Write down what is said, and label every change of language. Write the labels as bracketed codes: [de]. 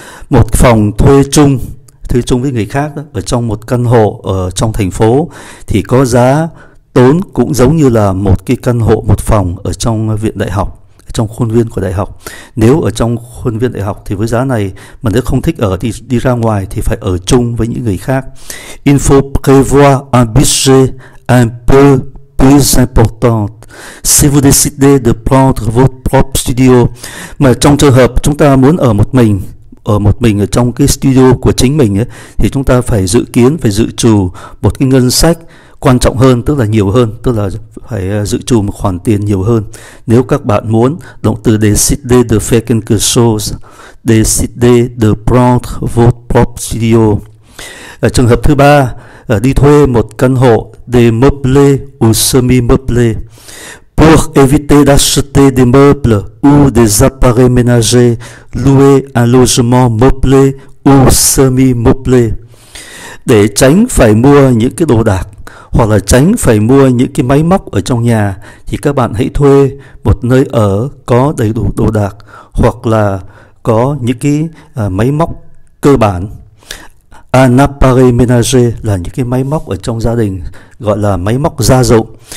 [vi] Một phòng thuê chung với người khác đó, ở trong một căn hộ ở trong thành phố thì có giá tốn cũng giống như là một cái căn hộ một phòng ở trong viện đại học, trong khuôn viên của đại học. Nếu ở trong khuôn viên đại học thì với giá này, mà nếu không thích ở thì đi ra ngoài thì phải ở chung với những người khác. [fr] Il faut prévoir un budget un peu plus important si vous décidez de prendre votre propre studio. [vi] Mà trong trường hợp chúng ta muốn ở một mình, ở một mình ở trong cái studio của chính mình ấy, thì chúng ta phải dự kiến, phải dự trù một cái ngân sách quan trọng hơn, tức là nhiều hơn, tức là phải dự trù một khoản tiền nhiều hơn. Nếu các bạn muốn, động từ [fr] décider de faire quelque chose, décider de prendre votre propre studio. [vi] Ở trường hợp thứ ba, đi thuê một căn hộ, [fr] de meublé ou semi-meublé. Pour éviter d'acheter des meubles ou des appareils ménagers, louer un logement meublé ou semi-meublé. [vi] Để tránh phải mua những cái đồ đạc hoặc là tránh phải mua những cái máy móc ở trong nhà, thì các bạn hãy thuê một nơi ở có đầy đủ đồ đạc hoặc là có những cái máy móc cơ bản. appareil ménager là những cái máy móc ở trong gia đình, gọi là máy móc gia dụng.